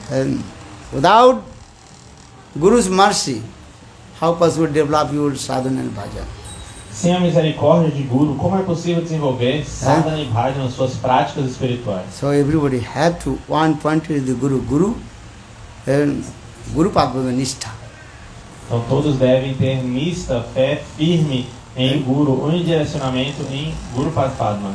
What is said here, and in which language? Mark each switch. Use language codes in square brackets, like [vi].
[en] And without Guru's mercy, how possible develop your sadhana and bhajan? [pt] Sem a misericórdia de Guru, como é possível desenvolver sadhana e bhajana nas suas práticas espirituais? [en] So everybody have to one point is the Guru, Guru, and Guru Padma Nishtha. [pt] Então todos devem ter nista, fé firme em Guru, direcionamento em Guru Padma.